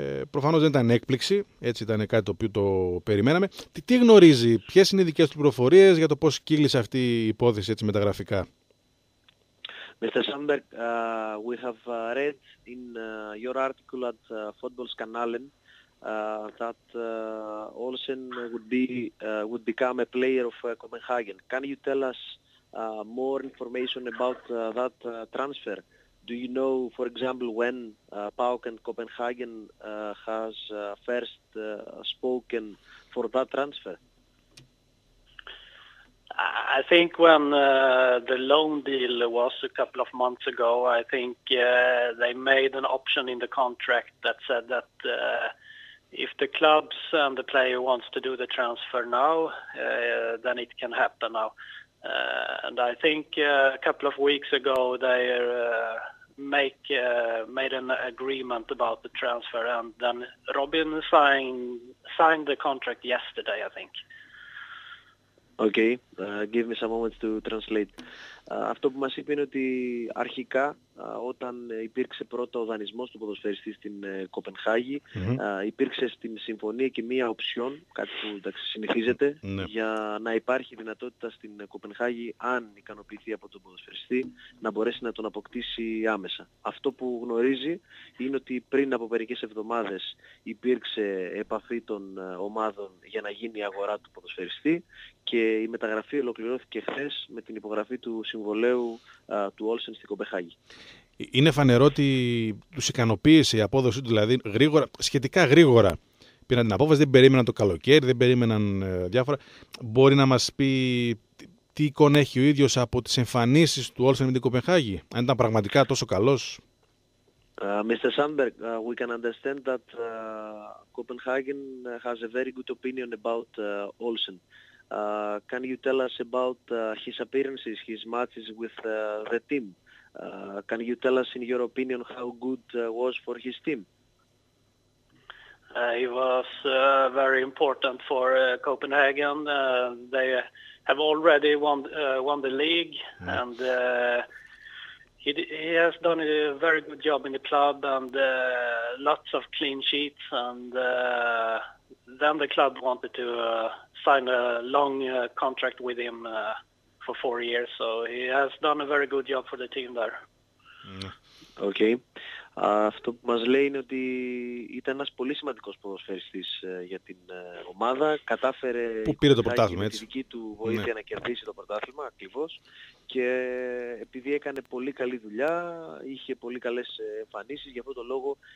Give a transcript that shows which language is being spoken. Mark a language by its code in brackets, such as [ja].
[el] προφανώς δεν ήταν έκπληξη, έτσι ήταν κάτι το οποίο το περιμέναμε. Τι γνωρίζει, ποιες είναι οι δικές του πληροφορίες για το πώς κύλησε αυτή η υπόθεση έτσι μεταγραφικά? [en] Mr. Sandberg, we have read in your article at Fotbollskanalen that Olsen would become a player of Copenhagen. Can you tell us more information about that transfer? Do you know, for example, when PAOK and Copenhagen has first spoken for that transfer? I think when the loan deal was a couple of months ago, I think they made an option in the contract that said that if the clubs and the player wants to do the transfer now, then it can happen now. And I think a couple of weeks ago, they... made an agreement about the transfer, and then Robin signed the contract yesterday, I think. Okay, give me some moments to translate. [el] Αυτό που μας είπε είναι ότι αρχικά όταν υπήρξε πρώτο ο δανεισμός του ποδοσφαιριστή στην Κοπενχάγη, υπήρξε στην συμφωνία και μία οψιόν, κάτι που εντάξει συνηθίζεται, για να υπάρχει δυνατότητα στην Κοπενχάγη, αν ικανοποιηθεί από τον ποδοσφαιριστή, να μπορέσει να τον αποκτήσει άμεσα. Αυτό που γνωρίζει είναι ότι πριν από μερικές εβδομάδες υπήρξε επαφή των ομάδων για να γίνει η αγορά του ποδοσφαιριστή και η μεταγραφή ολοκληρώθηκε χθες με την υπογραφή του συμβολέου του Όλσεν στην Κοπεχάγη. Είναι φανερό ότι τους ικανοποίησε η απόδοση του, δηλαδή γρήγορα, σχετικά γρήγορα πήραν την απόφαση, δεν περίμεναν το καλοκαίρι, δεν περίμεναν διάφορα. Μπορεί να μας πει τι εικόνα έχει ο ίδιος από τις εμφανίσεις του Όλσεν με την Κοπεχάγη, αν ήταν πραγματικά τόσο καλός? [en] Mr. Sandberg, we can understand that Copenhagen has a very good opinion about Olsen. Can you tell us about his appearances, his matches with the team? Can you tell us, in your opinion, how good was for his team? He was very important for Copenhagen. They have already won the league, and he has done a very good job in the club and lots of clean sheets. And then the club wanted to sign a long contract with him for 4 years, so he has done a very good job for the team there. Okay. [el] Αυτό που μας λέει είναι ότι ήταν ένας πολύ σημαντικός ποδοσφαιριστής για την ομάδα. Κατάφερε που πήρε το πρωτάθλημα, έτσι. Με τη δική του βοήθεια να κερδίσει το πρωτάθλημα, ακριβώς. Και επειδή έκανε πολύ καλή δουλειά, είχε πολύ καλές εμφανίσεις, γι' αυτό το λόγο...